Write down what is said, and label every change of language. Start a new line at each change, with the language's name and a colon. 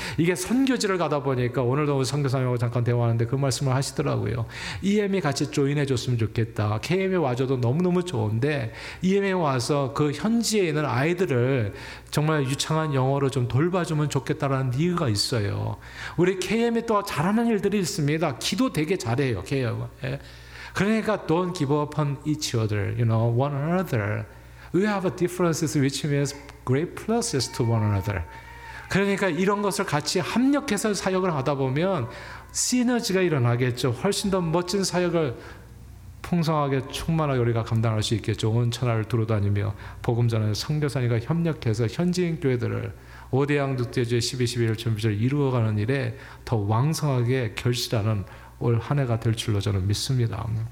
Korean: 이게 선교지를 가다 보니까 오늘도 우리 선교사님하고 잠깐 대화하는데 그 말씀을 하시더라고요. EM이 같이 조인해줬으면 좋겠다. KM이 와줘도 너무너무 좋은데 EM이 와서 그 현지에 있는 아이들을 정말 유창한 영어로 좀 돌봐주면 좋겠다라는 니가 있어요. 우리 KM이 또 잘하는 일들이 있습니다. 기도 되게 잘해요. KM. 그러니까
English: don't give up on each other, you know, one another. We have a differences which means great pluses to one another.
Korean: 그러니까 이런 것을 같이 합력해서 사역을 하다 보면 시너지가 일어나겠죠. 훨씬 더 멋진 사역을 풍성하게 충만하게 우리가 감당할 수 있겠죠. 온 천하를 두루다니며 복음 전하는 선교사님과 협력해서 현지인 교회들을 오대양 늑대주의 12.11월 전비절 이루어가는 일에 더 왕성하게 결실하는 올 한 해가 될 줄로 저는 믿습니다.